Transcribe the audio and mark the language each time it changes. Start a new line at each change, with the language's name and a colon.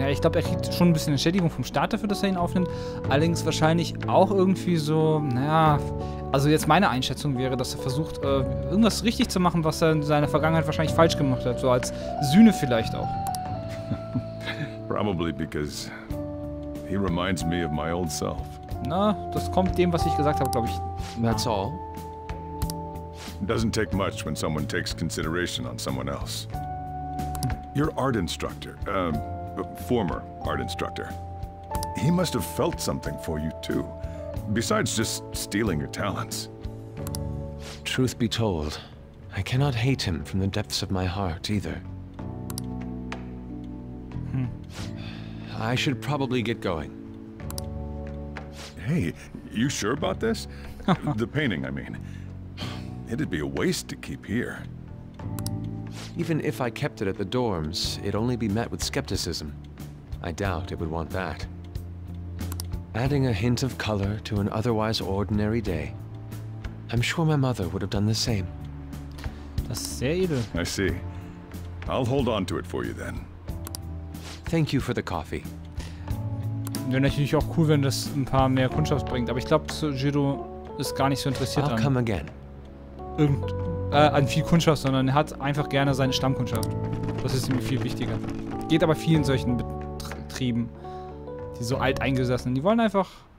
German: Ja, ich glaube, er kriegt schon ein bisschen Entschädigung vom Staat dafür, dass er ihn aufnimmt. Allerdings wahrscheinlich auch irgendwie so... Naja, also jetzt meine Einschätzung wäre, dass er versucht, irgendwas richtig zu machen, was er in seiner Vergangenheit wahrscheinlich falsch gemacht hat. So als Sühne vielleicht auch.
English: Probably because he reminds me of my old self.
German: Na, das kommt dem, was ich gesagt habe, glaube ich.
English: That's all. Doesn't take much when someone takes consideration on someone else. Your art instructor, former art instructor. He must have felt something for you too, besides just stealing your talents. Truth be told, I cannot hate him from the depths of my heart either. I should probably get going. Hey, you sure about this? The painting, I mean. It'd be a waste to keep here. Even if I kept it at the dorms, it'd only be met with skepticism. I doubt it would want that. Adding a hint of color to an otherwise ordinary day. I'm sure my mother would have done the same.
German: Das ist sehr edel.
English: I see. I'll hold on to it for you then. Thank you for the coffee.
German: Wäre natürlich auch cool, wenn das ein paar mehr Kundschaft bringt, aber ich glaube, Sojiro ist gar nicht so interessiert
English: I'll
German: an.
English: Come again.
German: An viel Kundschaft, sondern er hat einfach gerne seine Stammkundschaft. Das ist ihm viel wichtiger. Geht aber vielen solchen Betrieben, die so alt eingesessen, die wollen einfach